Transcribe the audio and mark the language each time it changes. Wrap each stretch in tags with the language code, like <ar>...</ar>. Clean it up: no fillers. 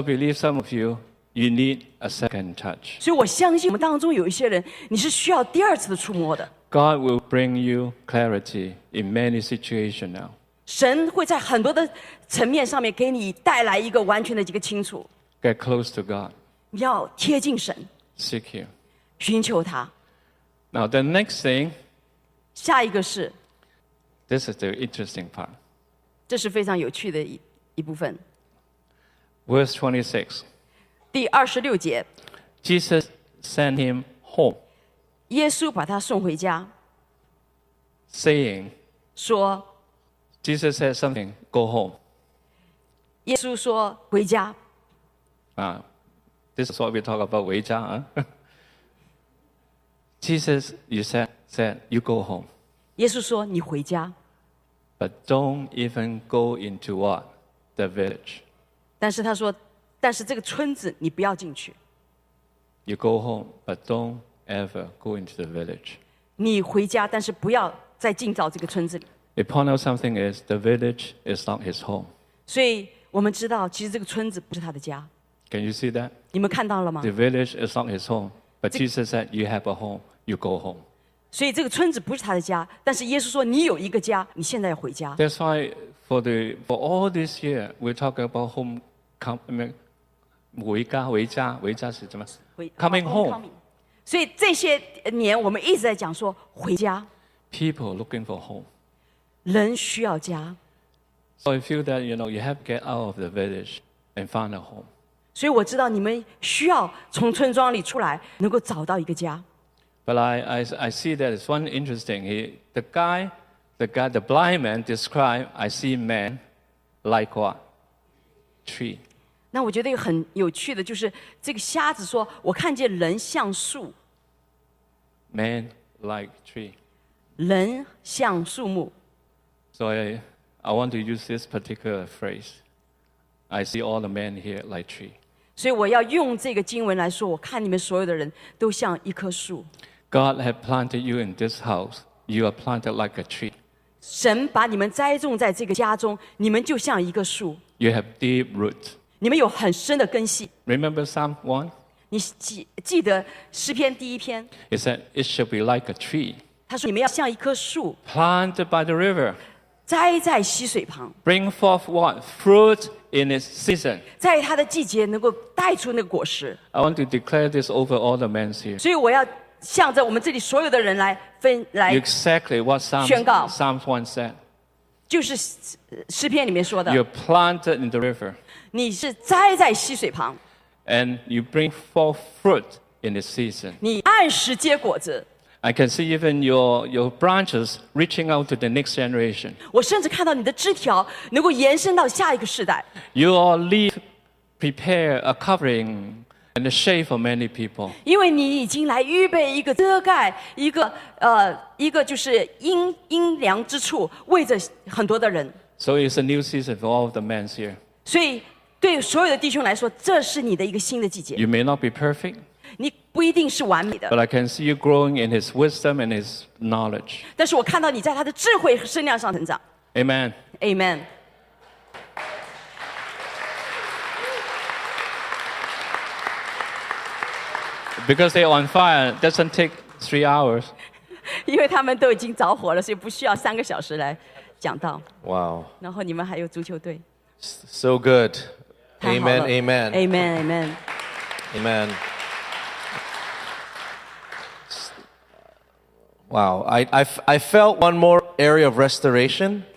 <en>believe some of you, you need a second touch.</en> <zh>所以我相信我们当中有一些人你是需要第二次的触摸的。God</zh> <en>will bring you clarity in many situations now.</en> <zh>神会在很多的层面上面给你带来一个完全的一个清楚。</zh> <en>Get close to God.</en> <zh>要贴近神。</zh> <en>Seek Him.</en> <zh>寻求他。</zh> <en>Now the next thing.</en> <zh>下一个是。</zh> <en>This is the interesting part.</en> <zh>这是非常有趣的一部分。</zh> <en>Verse 26.</en> <zh>第26节。</zh> <en>Jesus sent him home.</en> <zh>耶稣把他送回家。</zh> <en>Saying.</en> <zh>说。</zh> <en>Jesus said something, go home.</en> <zh>耶稣说回家。</zh> <en>This is what we talk about,</en> <zh>回家,</zh> <en>Jesus, you said, you go home.</en> <zh>耶稣说你回家。</zh> <en>But don't even go into what? The village.</en> <zh>但是他说，但是这个村子你不要进去。</zh> <en>You go home, but don't ever go into the village.</en> <zh>你回家，但是不要再进到这个村子里。</zh> <en>It points out something is the village is not his home.</en> <zh>所以我们知道其实这个村子不是他的家。</zh> <en>Can you see that?</en> <zh>你们看到了吗?</zh> <en>The village is not his home, but Jesus said you have a home, you go home.</en> <zh>所以这个村子不是他的家，但是耶稣说你有一个家，你现在要回家。</zh> <en>That's why for all this year we talk about home coming,</en> <zh>回家，回家是什么？</zh> <en>Coming home.</en> <zh>所以这些年我们一直在讲说回家。</zh> <en>people looking for home.</en> <zh>人需要家。</zh> <en>So I feel that, you know, you have to get out of the village and find a home.</en> <zh>所以我知道你们需要从村庄里出来，能够找到一个家。</zh> <en>But I see that it's one interesting. The guy, the blind man described, I see man like what? Tree.</en> <zh>那我觉得很有趣的就是这个瞎子说，我看见人像树。</zh> <en>Man like tree.</en> <zh>人像树木。</zh> <en>So I want to use this particular phrase. I see all the men here like tree.</en> <zh>所以我要用这个经文来说，我看你们所有的人都像一棵树。</zh> <en>God had planted you in this house. You are planted like a tree.</en> <zh>神把你们栽种在这个家中，你们就像一个树。</zh> <en>You have deep roots.</en> <zh>你们有很深的根系。</zh> <en>Remember Psalm 1?</en> <zh>你记得诗篇第一篇。</zh> <en>It said, it should be like a tree.</en> <zh>他说你们要像一棵树。</zh> <en>Planted by the river.</en> <zh>栽在溪水旁。</zh> <en>Bring forth what? Fruit in its season.</en> <zh>在它的季节能够带出那个果实。</zh> <en>I want to declare this over all the men here.</en> <zh>所以我要向着我们这里所有的人来分来宣告。</zh> <en>Exactly what Psalms 1 said.</en> <zh>就是诗篇里面说的。</zh> <en>You're planted in the river.</en> <zh>你是栽在溪水旁。</zh> <en>And you bring forth fruit in the season.</en> <zh>你按时结果子。</zh> <en>I can see even your branches reaching out to the next generation.</en> <zh>我甚至看到你的枝条能够延伸到下一个世代。</zh> <en>Your leaf prepare a covering. And the shade for many people.</en> <zh>因为你已经来预备一个遮盖，一个就是阴凉之处，为着很多的人。</zh> <en>So it's a new season for all of the men here.</en> <zh>所以对所有的弟兄来说，这是你的一个新的季节。</zh> <en>You may not be perfect.</en> <zh>你不一定是完美的。</zh> <en>But I can see you growing in His wisdom and His knowledge.</en> <zh>但是我看到你在他的智慧和身量上成长。</zh> <en>Amen. Amen. Because they're on fire, it doesn't take 3 hours.</en> <zh>因为他们都已经着火了，所以不需要三个小时来讲道。</zh> <en>Wow.</en> <zh>然后你们还有足球队。</zh> <en>So good. Amen. Amen. Amen. Amen. Amen. Wow. I felt one more area of restoration.</en>